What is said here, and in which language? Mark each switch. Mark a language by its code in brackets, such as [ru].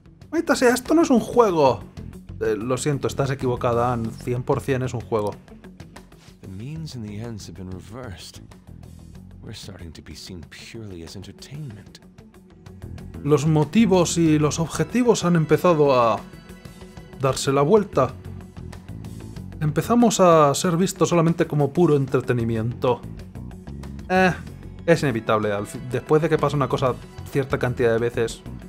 [es] ¡Maldita sea! ¡Esto no es un juego! Lo siento, estás equivocada, Anne. 100% es un juego. [en] means and the ends have been reversed. We're starting to be seen purely as entertainment. [es] Los motivos y los objetivos han empezado a darse la vuelta. Empezamos a ser vistos solamente como puro entretenimiento. Es inevitable. Después de que pasa una cosa cierta cantidad de veces.